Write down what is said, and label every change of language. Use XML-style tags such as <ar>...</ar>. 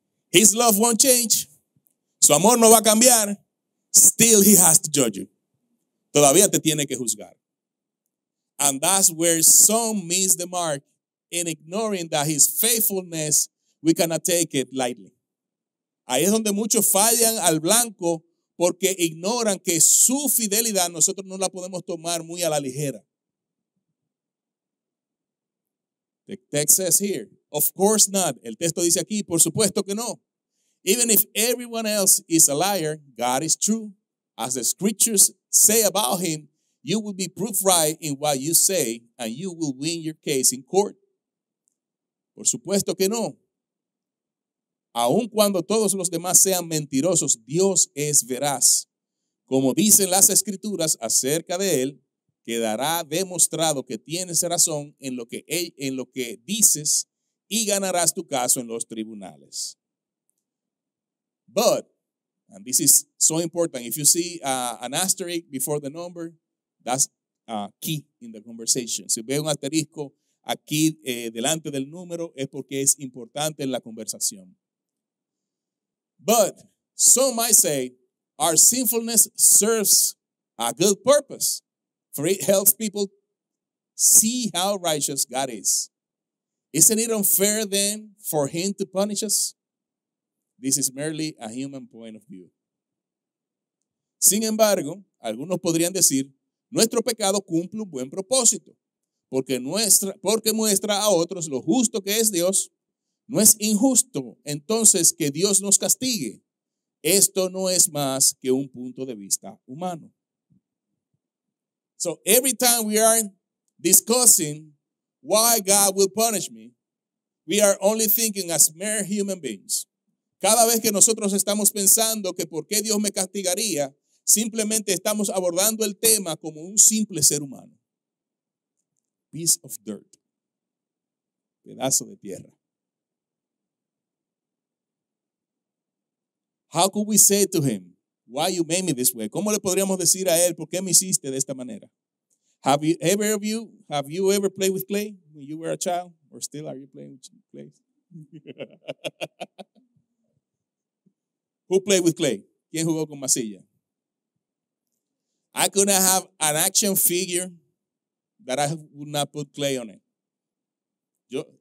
<en>His love won't change.</en> <es>Su amor no va a cambiar.</es> <en>Still he has to judge you.</en> <es>Todavía te tiene que juzgar.</es> <en>And that's where some miss the mark in ignoring that his faithfulness, we cannot take it lightly.</en> <es>Ahí es donde muchos fallan al blanco porque ignoran que su fidelidad nosotros no la podemos tomar muy a la ligera.</es> <en>The text says here, of course not.</en> <es>El texto dice aquí, por supuesto que no.</es> <en>Even if everyone else is a liar, God is true. As the scriptures say about him, you will be proved right in what you say and you will win your case in court.</en> <es>Por supuesto que no. Aun cuando todos los demás sean mentirosos, Dios es veraz. Como dicen las escrituras acerca de él, quedará demostrado que tienes razón en lo que dices y ganarás tu caso en los tribunales.</es> <en>But, and this is so important, if you see an asterisk before the number, that's key in the conversation.</en> <es>Si ve un asterisco aquí delante del número, es porque es importante en la conversación.</es> <en>But, some might say, our sinfulness serves a good purpose. For it helps people see how righteous God is. Isn't it unfair then for him to punish us? This is merely a human point of view.</en> <es>Sin embargo, algunos podrían decir, nuestro pecado cumple un buen propósito, porque muestra a otros lo justo que es Dios. No es injusto entonces que Dios nos castigue. Esto no es más que un punto de vista humano.</es> <en>So every time we are discussing why God will punish me, we are only thinking as mere human beings.</en> <es>Cada vez que nosotros estamos pensando que por qué Dios me castigaría, simplemente estamos abordando el tema como un simple ser humano.</es> <en>Piece of dirt.</en> <es>Pedazo de tierra.</es> <en>How could we say to him, why you made me this way?</en> <es>¿Cómo le podríamos decir a él, por qué me hiciste de esta manera?</es> <en>Have you ever played with clay when you were a child? Or still are you playing with clay? Who played with clay?</en> <es>¿Quién jugó con masilla?</es> <en>I could not have an action figure that I would not put clay on it.</en>